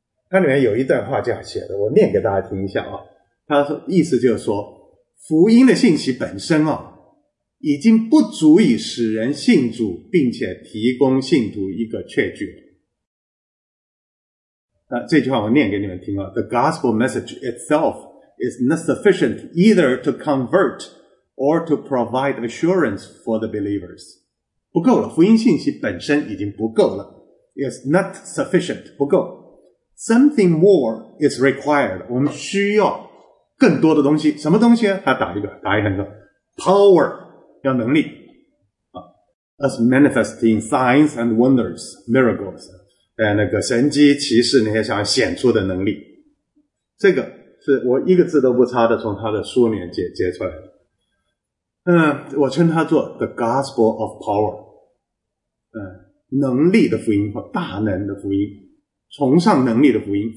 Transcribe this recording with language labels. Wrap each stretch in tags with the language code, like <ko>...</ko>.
<zh>他里面有一段话这样写的，我念给大家听一下啊。他说意思就是说，福音的信息本身啊，已经不足以使人信主，并且提供信徒一个确据了。这句话我念给你们听啊。</zh> <en>The gospel message itself is not sufficient either to convert or to provide assurance for the believers.</en> <zh>不够了，福音信息本身已经不够了。</zh> <en>It's not sufficient,</en> <zh>不够。</zh> <en>Something more is required.</en> <zh>我们需要更多的东西。什么东西啊？他打一个，打一横个。 Power, 要能力。</zh> <en>As manifesting signs and wonders, miracles.</en> <zh>那个神迹奇事那些想显出的能力，这个是我一个字都不差的从他的书里面解出来的。我称它做</zh> <en>The Gospel of Power，</en> <zh>能力的福音或大能的福音，崇尚能力的福音。</zh>